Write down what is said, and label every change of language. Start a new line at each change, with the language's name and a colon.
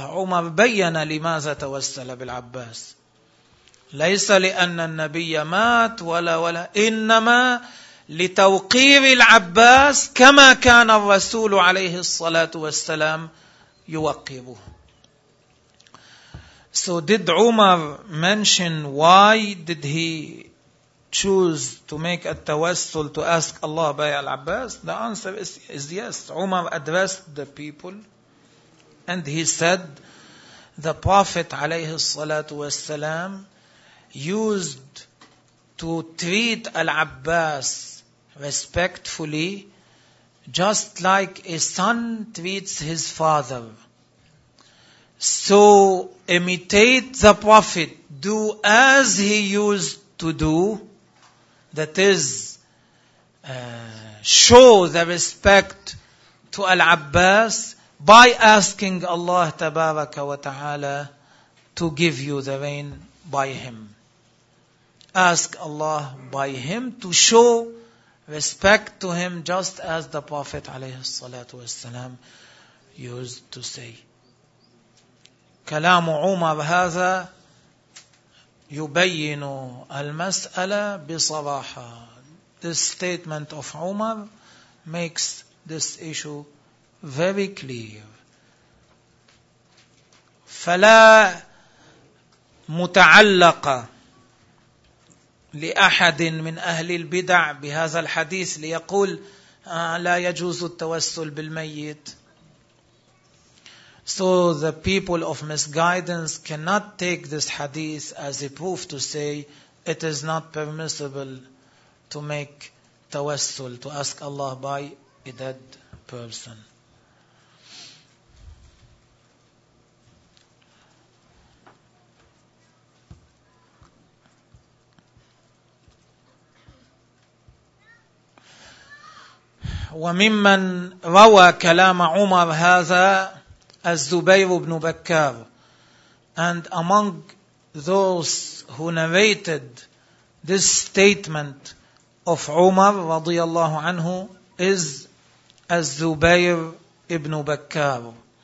Arabic: عمر بين لماذا توسل بالعباس، ليس لأن النبي مات ولا إنما لتوقير العباس كما كان الرسول عليه الصلاة والسلام يوقظه.
English: So did Umar mention why did he choose to make a tawassul to ask Allah by Al-Abbas? The answer is yes. Umar addressed the people and he said the Prophet
Arabic: عليه الصلاة والسلام
English: used to treat Al-Abbas respectfully just like a son treats his father. So imitate the Prophet, do as he used to do, that is, show the respect to Al-Abbas by asking Allah Tabaraka wa Ta'ala to give you the reign by him. Ask Allah by him to show respect to him, just as the Prophet
Arabic: عليه الصلاة والسلام
English: used to say.
Arabic: كلام عمر هذا يبين المسألة بصراحة.
English: This statement of عمر makes this issue very clear.
Arabic: فلا متعلق لأحد من أهل البدع بهذا الحديث ليقول لا يجوز التوسل بالميت.
English: So the people of misguidance cannot take this hadith as a proof to say it is not permissible to make tawassul, to ask Allah by a dead person.
Arabic: وممن روى كلام عمر هذا الزبير بن بكار.
English: And among those who narrated this statement of عمر
Arabic: رضي الله عنه
English: is الزبير بن بكار.